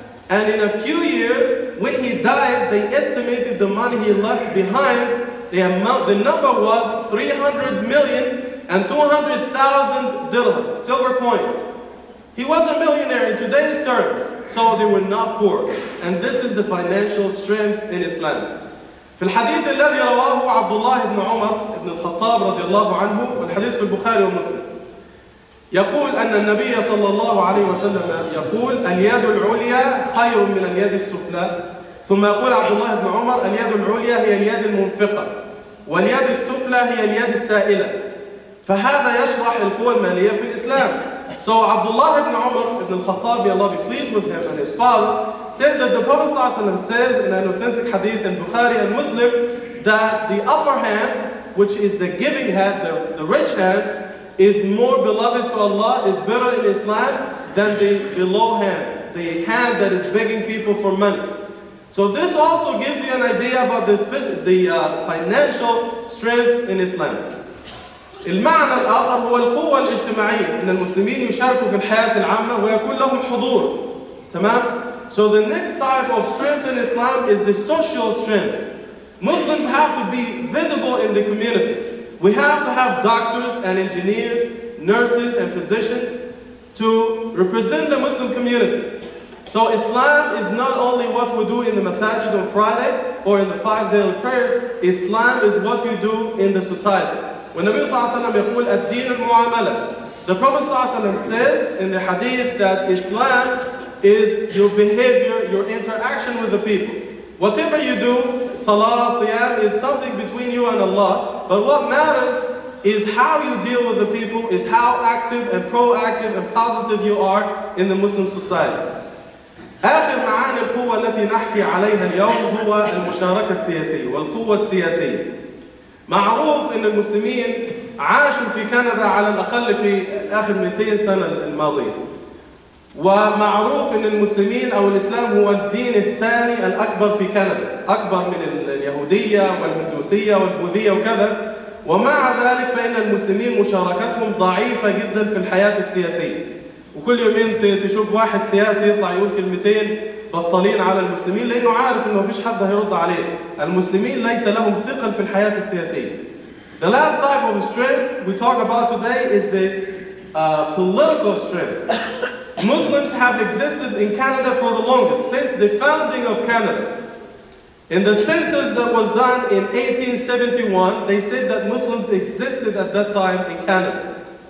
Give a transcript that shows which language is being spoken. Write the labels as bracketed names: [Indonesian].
[English] And in a few years, when he died, they estimated the money he left behind. The number was 300 million and 200,000 dirham, silver coins. He was a millionaire in today's terms, so they were not poor. And this is the financial strength in Islam. [Arabic] في الحديث الذي رواه عبد الله بن عمر بن الخطاب رضي الله عنه والحديث في البخاري ومسلم يقول أن النبي صلى الله عليه وسلم يقول اليد العليا خير من اليد السفلى ثم يقول عبد الله بن عمر اليد العليا هي اليد المنفقة واليد السفلى هي اليد السائلة فهذا يشرح القوى المالية في الإسلام. [English] So Abdullah ibn Umar ibn al-Khattab, may Allah be pleased with him and his father, said that the Prophet ﷺ says in an authentic hadith in Bukhari and Muslim that the upper hand, which is the giving hand, the rich hand, is more beloved to Allah, is better in Islam than the low hand, the hand that is begging people for money. So this also gives you an idea about the financial strength in Islam. [Arabic] المعنى الآخر هو القوة الاجتماعية إن المسلمين يشاركوا في الحياة العامة ويكون لهم حضور تمام؟ [English] So the next type of strength in Islam is the social strength. Muslims have to be visible in the community. We have to have doctors and engineers, nurses and physicians to represent the Muslim community. So Islam is not only what we do in the masajid on Friday or in the 5 daily prayers. Islam is what you do in the society. When Nabi Sallallahu Alaihi Wasallam [Arabic] يقول الدين المعاملة, [English] the Prophet Sallallahu Alaihi Wasallam says in the hadith that Islam is your behavior, your interaction with the people. Whatever you do, salah, siyam, is something between you and Allah. But what matters is how you deal with the people, is how active and proactive and positive you are in the Muslim society. [Arabic] آخر معاني القوة التي نحكي عليها اليوم هو المشاركة السياسية والقوة السياسية. معروف أن المسلمين عاشوا في كندا على الأقل في آخر 200 سنة الماضية ومعروف أن المسلمين أو الإسلام هو الدين الثاني الأكبر في كندا أكبر من اليهودية والهندوسية والبوذية وكذا ومع ذلك فإن المسلمين مشاركتهم ضعيفة جدا في الحياة السياسية وكل يومين تشوف واحد سياسي يطلع يقول كلمتين بطلين على المسلمين لأنه عارف أنه ما فيش حد هيرد عليه المسلمين ليس لهم ثقل في الحياة السياسية. [English] The last type of strength we talk about today is the political strength. Muslims have existed in Canada for the longest, since the founding of Canada. In the census that was done in 1871, they said that Muslims existed at that time in Canada.